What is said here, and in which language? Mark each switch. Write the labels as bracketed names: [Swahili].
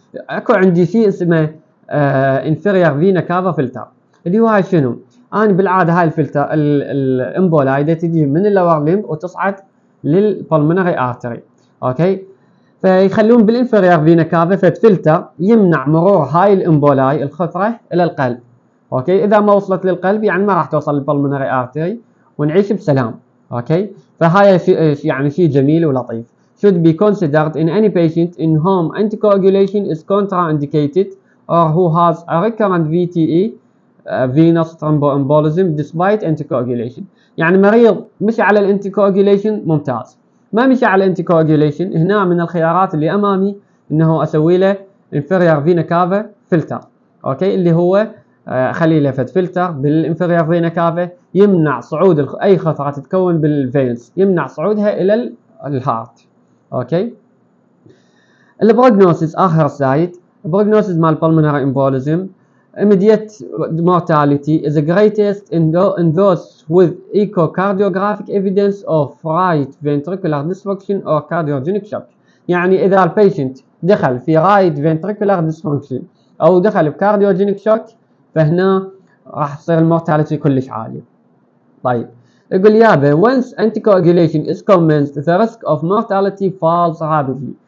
[Arabic] اكو عندي شيء اسمه انفيرير فينا كافا فلتر، اللي هو شنو؟ انا بالعاده هاي الفلتر الامبولايد تجي من اللور ليمب وتصعد للبلمونري ارتري. اوكي فيخلون بالانفيرير فينا كافا فتفلتر يمنع مرور هاي الامبولاي الخطره الى القلب. اوكي اذا ما وصلت للقلب يعني ما راح توصل للبلمونري ارتري ونعيش بسلام. اوكي فهاي يعني شيء جميل ولطيف. [English] should be considered in any patient in whom anticoagulation is contraindicated or who has a recurrent VTE venous thromboembolism despite anticoagulation. [Arabic] يعني مريض مشي على الانتيكواجيليشن ممتاز، ما مشي على الانتيكواجيليشن هنا من الخيارات اللي امامي انه اسوي له [English] inferior vena cava filter. [Arabic] اوكي اللي هو خلي له فد فلتر بالانفيرير فينا كافا يمنع صعود اي خطره تتكون بالفينز، يمنع صعودها الى الهارت. اوكي البروجنوسيس اخر سايد، البروجنوسيس مال بالمونري امبوليزم [English] immediate mortality is the greatest in those with echocardiographic evidence of right ventricular dysfunction or cardiogenic shock. [Arabic] يعني اذا البيشنت دخل في [English] right ventricular dysfunction [Arabic] او دخل بكارديوجينيك شوك فهنا راح تصير المورتاليتي كلش عاليه. طيب يقول يابا [English] once anticoagulation is commenced the risk of mortality falls rapidly.